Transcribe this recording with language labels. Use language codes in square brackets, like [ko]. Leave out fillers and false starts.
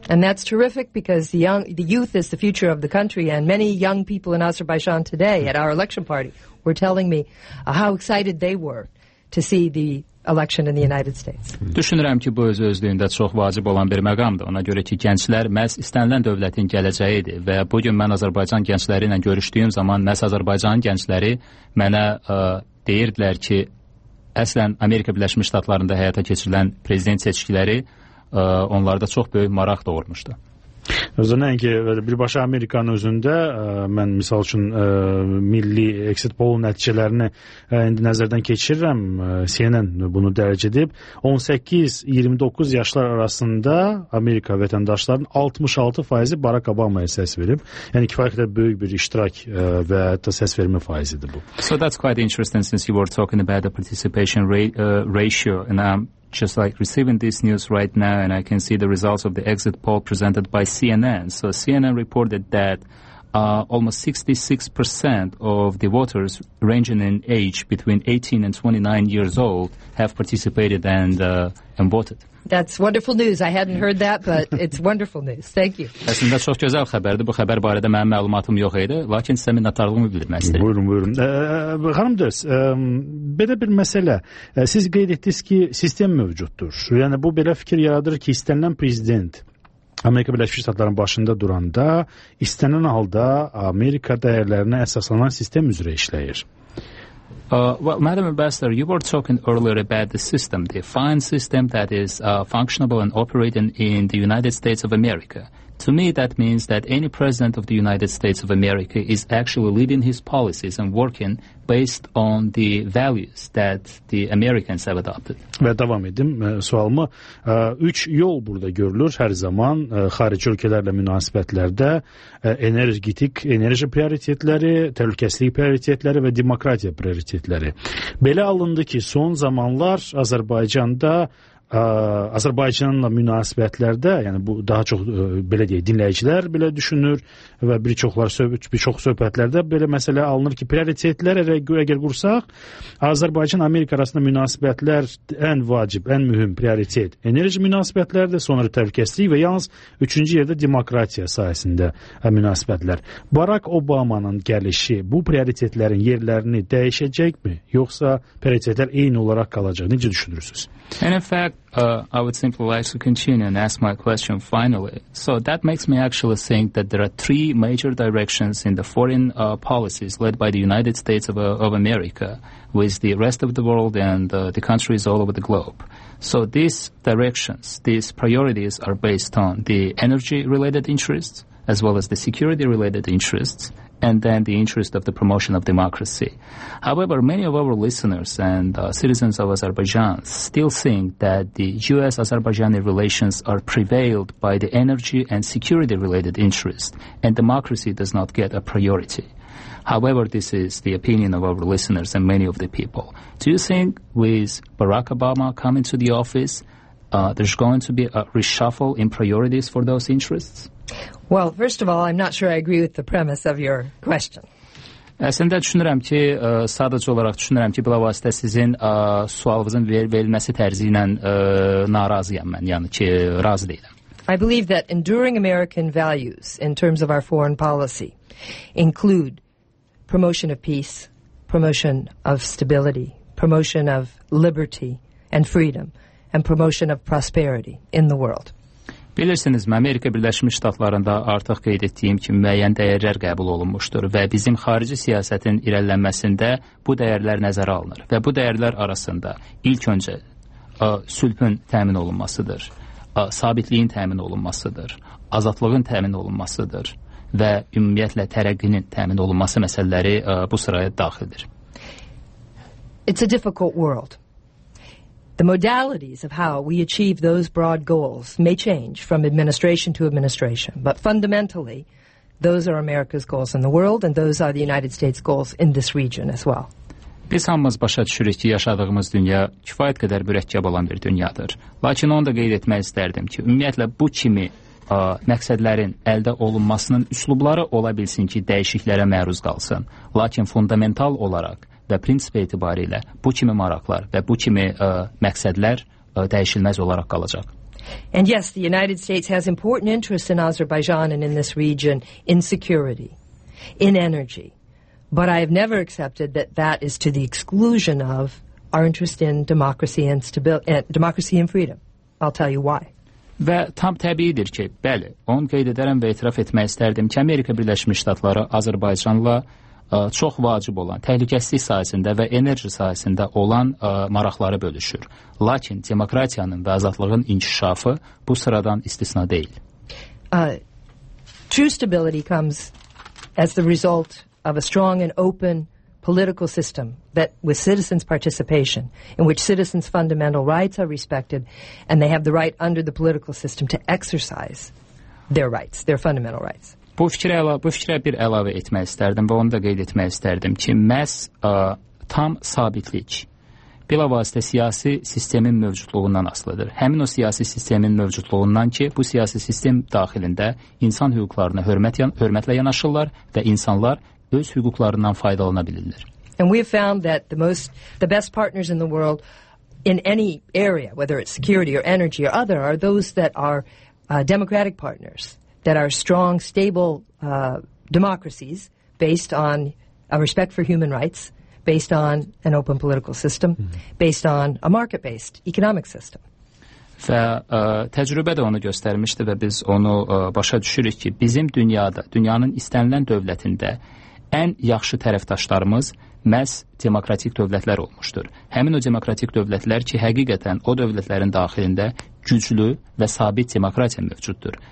[en] And that's terrific because the youth is the future of the country and many young people in Azerbaijan today at our election party were telling me how excited they were to see the election in the United States. [az] Düşünürəm ki, bu öz-özlüyündə çox vacib olan bir məqamdır. Ona görə ki, gənclər məhz istənilən dövlətin gələcəyidir və bu gün mən Azərbaycan gəncləri ilə görüşdüyüm zaman məhz Azərbaycan gəncləri mənə deyirdilər ki, əslən Amerika Birləşmiş Ştatlarında həyata keçirilən prezident seçkiləri onlarda çox böyük maraq doğurmuşdu. Özünən ki, birbaşa Amerikanın özündə mən misal üçün milli exit poll nəticələrini indi nəzərdən keçirirəm. CNN bunu dərc edib. 18-29 yaşlar arasında Amerika vətəndaşlarının 66% Barack Obama'ya səs verib. Yəni kifayət qədər böyük bir iştirak və hətta səs vermə faizidir bu. [en] So that's quite interesting since you were talking about the participation ratio and just like receiving this news right now, and I can see the results of the exit poll presented by CNN. So CNN reported that Almost 66% of the voters ranging in age between 18 and 29 years old have participated and voted. That's wonderful news. I hadn't heard that, but it's wonderful news. Thank you. [az] Əslində çox gözəl xəbərdir. Bu xəbər barədə mənim məlumatım yox idi, lakin sizə minnətdarlığımı bildirmək istəyirəm. Buyurun, buyurun. Xanım Dörs, belə bir məsələ. Siz qeyd etdiniz ki, sistem mövcuddur. Yəni, bu belə fikir yaradır ki, istənilən prezident Amerika Birləşmiş Ştatlarının başında duranda istənilən halda Amerika dəyərlərinə əsaslanan sistem üzrə işləyir. [en] Well, Madam Ambassador, you were talking earlier about the system, the fine system that is functionable and operating in the United States of America. To me, that means that any president of the United States of America is actually leading his policies and working based on the values that the Americans have adopted. [az] Və davam edim sualımı. Üç yol burada görülür hər zaman xarici ölkələrlə münasibətlərdə. Energetik, enerji prioritetləri, təhlükəsizlik prioritetləri və demokratiya prioritetləri. Belə alındı ki, son zamanlar Azərbaycanda Azərbaycanla münasibətlərdə, yəni bu daha çox belə deyək, dinləyicilər belə düşünür və bir çoxlar bir çox söhbətlərdə belə məsələ alınır ki, prioritetlər əgər qursaq, Azərbaycan-Amerika arasında münasibətlər ən vacib, ən mühüm prioritet enerji münasibətlərdir, sonra təhlükəsizlik və yalnız üçüncü yerdə demokratiya sahəsində münasibətlər. Barack Obamanın gəlişi bu prioritetlərin yerlərini dəyişəcəkmi, yoxsa prioritetlər eyni olaraq qalacaq? Necə düşünürsünüz? [en] I would simply like to continue and ask my question finally. So that makes me actually think that there are three major directions in the foreign policies led by the United States of America with the rest of the world and the countries all over the globe. So these directions, these priorities are based on the energy-related interests as well as the security-related interests, and then the interest of the promotion of democracy. However, many of our listeners and citizens of Azerbaijan still think that the U.S.-Azerbaijani relations are prevailed by the energy and security-related interest, and democracy does not get a priority. However, this is the opinion of our listeners and many of the people. Do you think with Barack Obama coming to the office, there's going to be a reshuffle in priorities for those interests? Well, first of all, I'm not sure I agree with the premise of your question. [az] Əslində düşünürəm ki, sadəcə olaraq düşünürəm ki, bilavasitə sizin sualınızın verilməsi tərzi ilə narazıyam mən, yəni ki, razı deyiləm. [en] I believe that enduring American values in terms of our foreign policy include promotion of peace, promotion of stability, promotion of liberty and freedom, and promotion of prosperity in the world. [az] Bilirsiniz, Amerika Birləşmiş Ştatlarında artıq qeyd etdiyim kimi müəyyən dəyərlər qəbul olunmuşdur və bizim xarici siyasətin irəlilənməsində bu dəyərlər nəzərə alınır və bu dəyərlər arasında ilk öncə sülhün təmin olunmasıdır, sabitliyin təmin olunmasıdır, azadlığın təmin olunmasıdır və ümumiyyətlə tərəqqinin təmin olunması məsələləri bu sıraya daxildir. [en] It's a difficult world. The modalities of how we achieve those broad goals may change from administration to administration, but fundamentally, those are America's goals in the world, and those are the United States' goals in this region as well. [az] Biz hamımız başa düşürük ki, yaşadığımız dünya kifayət qədər mürəkkəb olan bir dünyadır. Lakin onu da qeyd etmək istərdim ki, ümumiyyətlə bu kimi məqsədlərin əldə olunmasının üslubları ola bilsin ki, dəyişikliklərə məruz qalsın. Lakin fundamental olaraq, və prinsip etibarilə bu kimi maraqlar və bu kimi məqsədlər dəyişilməz olaraq qalacaq. [en] And yes, the United States has important interests in Azerbaijan and in this region, in security, in energy. But I have never accepted that that is to the exclusion of our interest in democracy and democracy and freedom. I'll tell you why. [az] Və tam təbiidir ki, bəli, onu qeyd edərəm və etiraf etmək istərdim ki, Amerika Birləşmiş Ştatları Azərbaycanla çox vacib olan təhlükəsizlik sahəsində və enerji sahəsində olan maraqları bölüşür. Lakin demokratiyanın və azadlığın inkişafı bu sıradan istisna deyil. [en] True stability comes as the result of a strong and open political system that with citizens' participation, in which citizens' fundamental rights are respected and they have the right under the political system to exercise their rights, their fundamental rights. [az] Bu fikrə bir əlavə etmək istərdim və onu da qeyd etmək istərdim ki, məhz tam sabitlik bilavasitə siyasi sistemin mövcudluğundan asılıdır. Həmin o siyasi sistemin mövcudluğundan ki, bu siyasi sistem daxilində insan hüquqlarına hörmətlə yanaşırlar və insanlar öz hüquqlarından faydalana bilirlər. [en] And we have found that the best partners in the world in any area, whether it's security or energy or other, are those that are democratic partners, that are strong, stable democracies based on a respect for human rights, based on an open political system, based on a market-based economic system. [az] Və təcrübə də onu göstərmişdi və biz onu başa düşürük ki, bizim dünyada, dünyanın istənilən dövlətində ən yaxşı tərəfdaşlarımız məhz demokratik dövlətlər olmuşdur. Həmin o demokratik dövlətlər ki, həqiqətən o dövlətlərin daxilində güclü və sabit demokratiya mövcuddur.